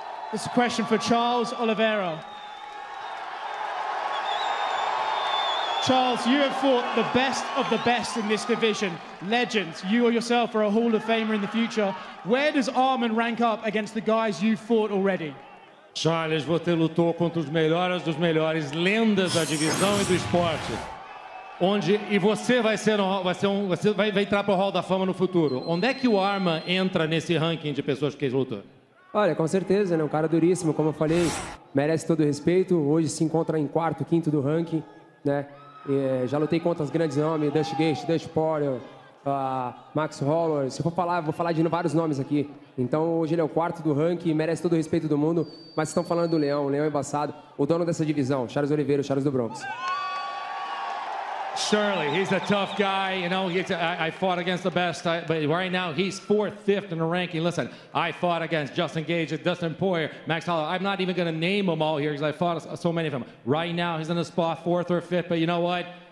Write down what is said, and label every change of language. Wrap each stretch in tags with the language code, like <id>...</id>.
<en>This is a question for Charles Oliveira. Charles, you have fought the best of the best in this division. Legends, you or yourself are a Hall of Famer in the future. Where does Armin rank up against the guys you've fought already?</en> <pt>Charles, você lutou contra os melhores dos melhores, lendas da divisão e do esporte. Onde, e você vai ser no, vai ser um, você vai, vai entrar pro Hall da Fama no futuro. Onde é que o Arma entra nesse ranking de pessoas que lutam? Olha, com certeza, né? Um cara duríssimo, como eu falei, merece todo o respeito. Hoje se encontra em quarto, quinto do ranking, né? E, já lutei contra os grandes nomes, Dust Gaethje, Dust Poirier, Max Holloway. Se eu for falar, vou falar de vários nomes aqui. Então, hoje ele é o quarto do ranking, merece todo o respeito do mundo. Mas estão falando do Leão, o Leão embaçado, o dono dessa divisão, Charles Oliveira, Charles do Bronx.</pt> <en>Surely, he's a tough guy, you know, I fought against the best, but right now he's fourth, fifth in the ranking. Listen, I fought against Justin Gaethje, Dustin Poirier, Max Holloway. I'm not even going to name them all here because I fought so many of them. Right now he's in the spot, fourth or fifth, but you know what?</en>